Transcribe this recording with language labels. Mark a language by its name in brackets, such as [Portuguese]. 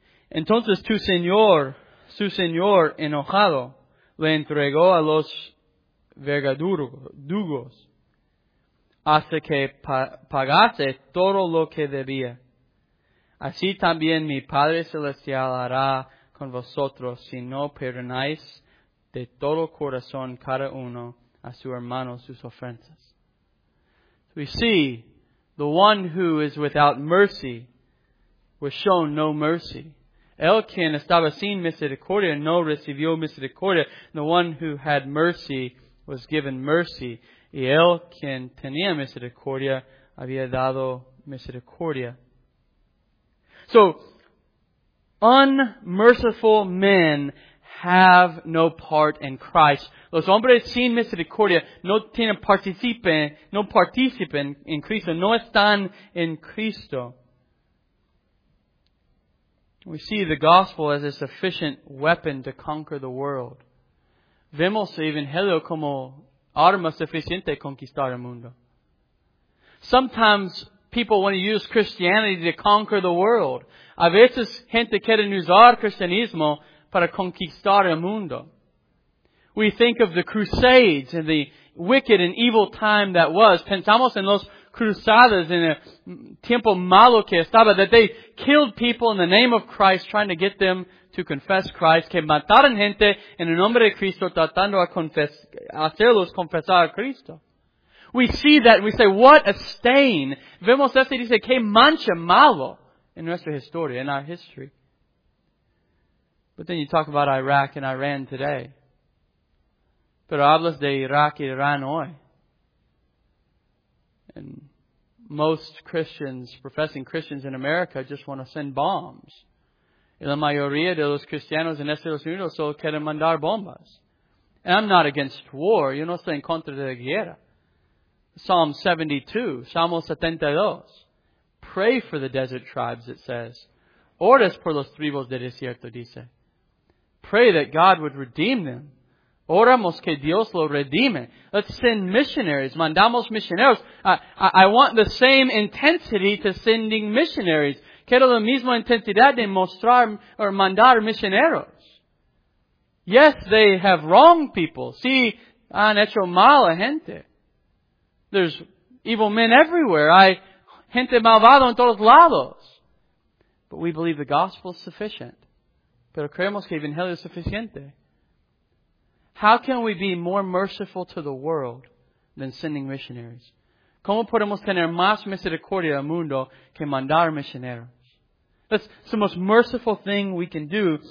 [Spanish] Entonces su señor enojado le entregó a los verdugos hasta que pagase todo lo que debía. Así también mi Padre Celestial hará con vosotros si no perdonáis de todo corazón cada uno a su hermano sus ofensas. [English] We see the one who is without mercy was shown no mercy. [Spanish] El quien estaba sin misericordia no recibió misericordia. [English] The one who had mercy was given mercy. [Spanish] Y el quien tenía misericordia había dado misericordia. [English] So, unmerciful men have no part in Christ. [Spanish] Los hombres sin misericordia no tienen participen en Cristo. No están en Cristo. [English] We see the gospel as a sufficient weapon to conquer the world. [Spanish] Vemos el evangelio como arma suficiente conquistar el mundo. [English] Sometimes people want to use Christianity to conquer the world. [Spanish] A veces gente quiere usar cristianismo para conquistar el mundo. [English] We think of the Crusades and the wicked and evil time that was. [Spanish] Pensamos en los cruzadas en el tiempo malo que estaba, [English] that they killed people in the name of Christ, trying to get them to confess Christ, [Spanish] que mataron gente en el nombre de Cristo, tratando a hacerlos confesar a Cristo. [English] We see that and we say, what a stain. [Spanish] Vemos esto y dice, qué mancha malo en nuestra historia, [English] in our history. But then you talk about Iraq and Iran today. [Spanish] Pero hablas de Iraq y Iran hoy. [English] And most Christians, professing Christians in America, just want to send bombs. [Spanish] Y la mayoría de los cristianos en Estados Unidos solo quieren mandar bombas. [English] And I'm not against war. [Spanish] Yo no estoy en contra de la guerra. [English] Psalm 72, Salmo 72. Pray for the desert tribes, it says. [Spanish] Oras por los tribus del desierto, dice. [English] Pray that God would redeem them. [Spanish] Oramos que Dios lo redime. [English] Let's send missionaries. [Spanish] Mandamos misioneros. [English] I want the same intensity to sending missionaries. [Spanish] Quiero la misma intensidad de mostrar or mandar misioneros. [English] Yes, they have wronged people. [Spanish] Sí, han hecho mal a gente. [English] There's evil men everywhere. [Spanish] Hay gente malvada en todos lados. [English] But we believe the gospel is sufficient. [Spanish] Pero creemos que el evangelio es suficiente. [English] How can we be more merciful to the world than sending missionaries? [Spanish] ¿Cómo podemos tener más misericordia al mundo que mandar misioneros? [English] That's the most merciful thing we can do.